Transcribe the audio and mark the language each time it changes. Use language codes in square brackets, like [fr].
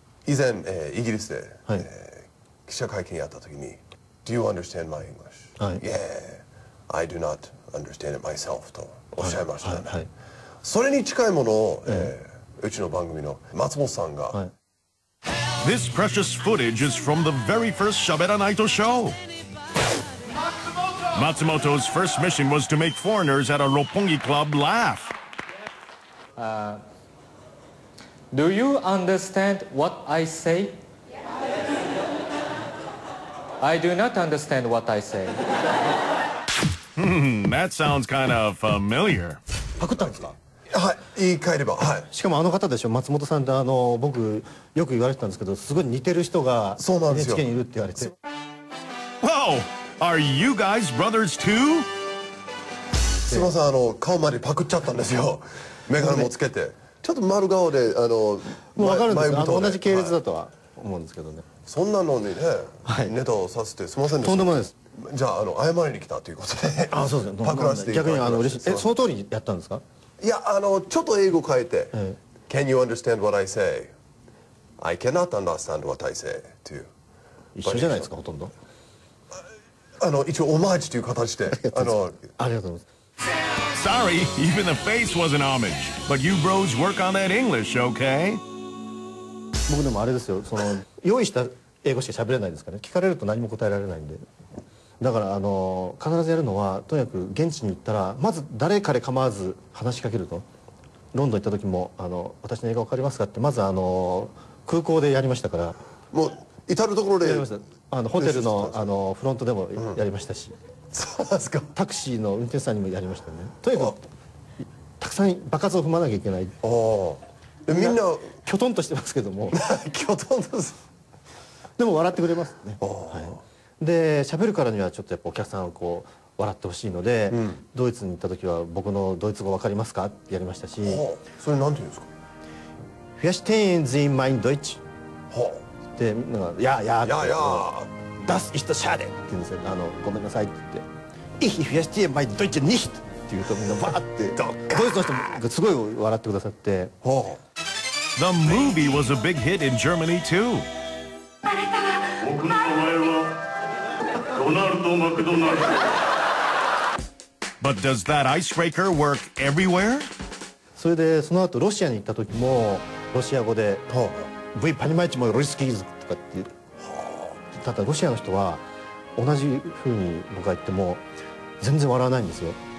[ja] 以前、イギリスで、はい記者会見やった時に。 [en] Do you understand my English? Yeah, I do not understand it myself. [ja] とおっしゃいましたね。はいはい、それに近いものを、うちの番組の松本さんが、はい。 [en] This precious footage is from the very first しゃべらナイト show. 松本's first mission was to make foreigners at a Roppongi club laugh. Do you understand what I say? I do not understand what I say. That sounds kind of familiar. [ja] パクったんですか？はい、言い換えれば、はい。しかもあの方でしょ、松本さんってあの僕よく言われてたんですけど、すごい似てる人が NHK にいるって言われて。 [en] Wow! Are you guys brothers too? [ja] すみません、あの顔までパクっちゃったんですよ。メガネもつけて。ちょっと丸顔で、あの、もう分かるんですか？同じ系列だとは思うんですけどね。そんなのにね、はい、ネタをさせてすみませんでした。とんでもないです。じゃ あ, あの謝りに来たということで、あそうですね、パクらせていただきました。逆にあの嬉しい。その通りやったんですか。いや、あのちょっと英語変えて、 [en] Can you understand what I say? I cannot understand what I say to you. [ja] 一緒じゃないですか、ほとんど。あの一応オマージュという形で、あのありがとうございます。 [en] Sorry, even the face was an homage. But you bros work on that English, okay? [ja] 僕でもあれですよ、その用意した英語しか喋れないですかね。聞かれると何も答えられないんで。だからあの必ずやるのは、とにかく現地に行ったらまず誰かで構わず話しかけると。ロンドン行った時もあの私の英語わかりますかってまずあの空港でやりましたから。もう至る所でやりました。あのホテル の, あのフロントでもやりましたし、そうですか、タクシーの運転手さんにもやりましたね。とにかくたくさん爆発を踏まなきゃいけない。あ、みんなキョトンとしてますけどもキョトンとすでも笑ってくれますね。あ、はい、で喋るからにはちょっとやっぱお客さんをこう笑ってほしいので、うん、ドイツに行った時は僕のドイツ語分かりますかってやりましたし、はあ、それなんて言うんですか。フィアシュテンズインマインドイツ、はあ、でなんかやあやあやあやあダスイストシャーデンって言うんですよ。あのごめんなさいって言ってイヒフィアシュテンマインドイツニヒトって言うとみんなバーってどっかドイツの人もすごい笑ってくださって、はあ、 [en] The movie was a big hit in Germany too。 [ja] あなたは僕の名前はドナルド・マクドナルド。 [en] But does that icebreaker work everywhere? [ja] それでその後ロシアに行った時もロシア語で V パニマイチもロリスキーズとかって、ただロシアの人は同じ風に僕が言っても全然笑わないんですよ。